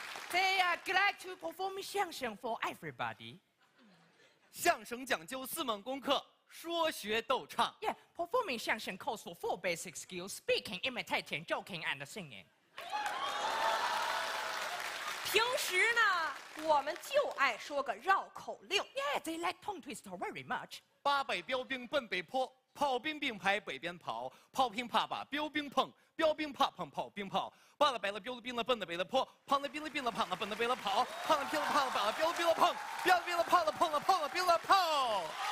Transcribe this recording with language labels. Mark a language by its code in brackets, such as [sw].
[en] They are glad to perform 相声 for everybody. [zh] 相声讲究四门功课，说学逗唱。 [en] Yeah, performing 相声 calls for four basic skills: speaking, imitating, joking, and singing. [zh] 平时呢，我们就爱说个绕口令。 [en] Yeah, they like tongue twister very much. [zh] 八百标兵奔北坡，炮兵并排北边跑，炮兵怕把标兵碰，标兵怕碰炮兵炮。罢了，白了，标了，兵了，奔了，北了，坡，胖了，兵了，兵了，胖了，奔了，北了，跑，胖了，兵了，胖了，把了，标了，兵了，碰，标了，兵了，胖了，碰了，胖了，兵了，炮。